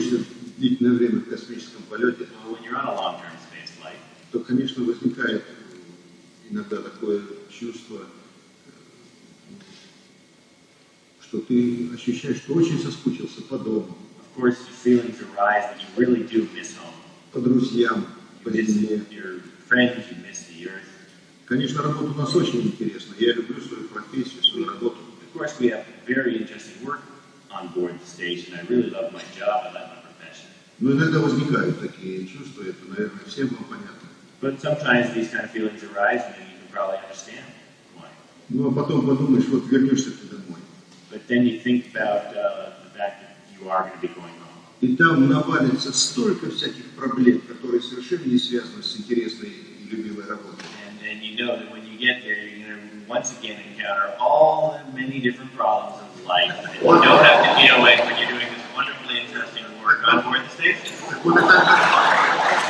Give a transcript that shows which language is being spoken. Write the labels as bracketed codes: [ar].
[en] When you're on a long-term space flight, [ru] то, конечно, возникает иногда такое чувство, что ты ощущаешь, что очень соскучился по дому. [en] Of course, the feelings arise that you really do miss home. [ru] По друзьям, по земле. [en] Your friends, you miss the earth. [ru] Конечно, работа у нас очень интересна. Я люблю свою профессию, свою работу. [en] Of course, we have very interesting work on board the station. I really love my job and I love my profession. [ru] Но иногда возникают такие чувства, это, наверное, всем вам понятно. [en] But sometimes these kind of feelings arise, and you can probably understand why. [ru] Ну, а потом подумаешь, вот вернешься ты домой. [en] But then you think about the fact that you are going to be going home. [ru] И там навалится столько всяких проблем, которые совершенно не связаны с интересной и любимой работой. [en] And you know that when you get there, you're going to once again encounter all the many different problems of life that you don't have to deal with when you're doing this wonderfully interesting work on board the station.